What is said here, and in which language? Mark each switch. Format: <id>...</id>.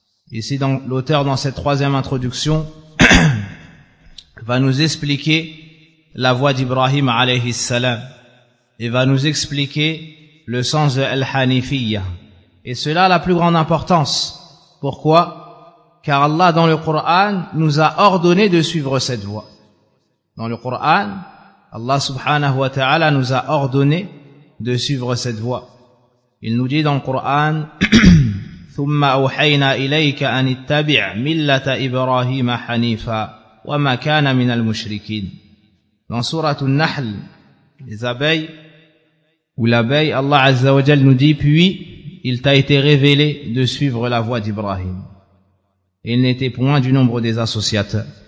<fr>Ici, donc, l'auteur, dans cette troisième introduction, va nous expliquer la voix d'Ibrahim alayhi salam et va nous expliquer le sens de Al-Hanifiyya. Et cela a la plus grande importance. Pourquoi? Car Allah, dans le Coran, nous a ordonné de suivre cette voie. Dans le Coran, Allah subhanahu wa ta'ala nous a ordonné de suivre cette voie. Il nous dit dans le Coran,</fr> <ar>ثُمَّ أَوْحَيْنَا إِلَيْكَ أَنِ اتَّبِعْ مِلَّةَ إِبْرَاهِيمَ حَنِيفًا وَمَا كَانَ مِنَ الْمُشْرِكِينَ.</ar> <fr>Dans sourate An-Nahl, les abeilles ou l'abeille, Allah azza wa jal nous dit, puis il t'a été révélé de suivre la voie d'Ibrahim. Il n'était point du nombre des associateurs.</fr>